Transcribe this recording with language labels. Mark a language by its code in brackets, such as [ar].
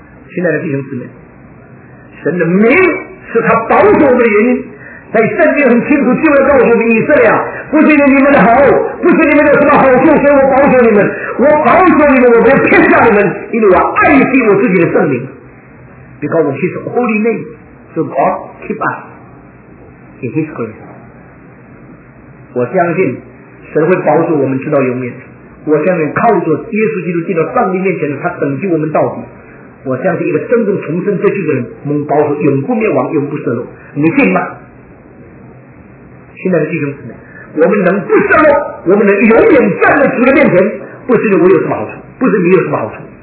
[zh] 亲爱的弟兄姊妹，神的名是他保守的原因。在圣经很清楚，经文告诉你，以色列啊，不是因为你们的好，不是你们的什么好处，所以我保守你们，我保守你们，我不撇下你们，因为我爱惜我自己的圣名。 [en] Because of His holy name, so God keep us in His grace. [zh] 我相信神会保守我们直到永远。我相信靠着耶稣基督进到上帝面前的，他拯救我们到底。我相信一个真正重生这句的人蒙保守，永不灭亡，永不舍落。你信吗？亲爱的弟兄姊妹，我们能不舍落，我们能永远站在主的面前，不是我有什么好处，不是你有什么好处。